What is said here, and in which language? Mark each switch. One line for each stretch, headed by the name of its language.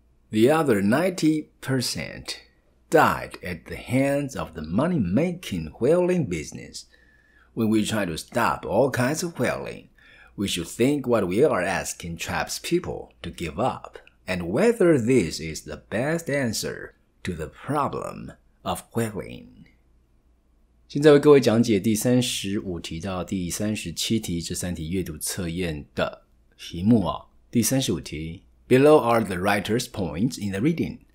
English: The other 90% died at the hands of the money-making whaling business. When we try to stop all kinds of whaling, we should think what we are asking tribespeople to give up and whether this is the best answer to the problem of whaling.
Chinese: 现在为各位讲解第35题到第37题这三题阅读测验的题目啊。
English: 第35题 Below are the writer's points in the reading.